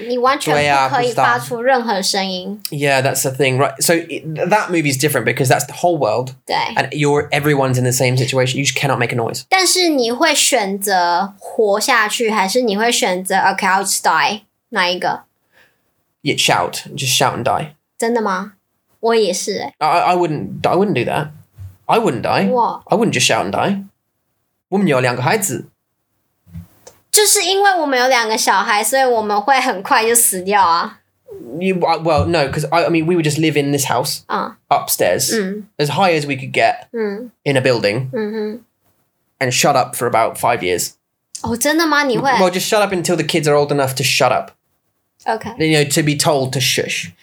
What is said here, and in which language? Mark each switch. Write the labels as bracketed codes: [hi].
[zh] 你完全不可以发出任何声音。 [en] Yeah, that's the thing. Right. So that movie's different because that's the whole world. [zh] 对。 [en] And everyone's in the same situation. You just cannot make a noise. [zh] 但是你会选择活下去还是你会选择 [en] Okay, I'll just die. [zh] 哪一个? [en] Yeah, shout. Just shout and die. [zh] 真的吗？我也是欸。 [en] I wouldn't do that. I wouldn't die. What? I wouldn't just shout and die. [zh] 我们有两个孩子。就是因为我们有两个小孩，所以我们会很快就死掉啊。 [en] Well, no, because I mean, we would just live in this house, upstairs, as high as we could get, in a building, and shut up for about 5 years. [zh] Oh, 真的吗？你会？ [en] Well, just shut up until the kids are old enough to shut up. Okay. You know, to be told to shush.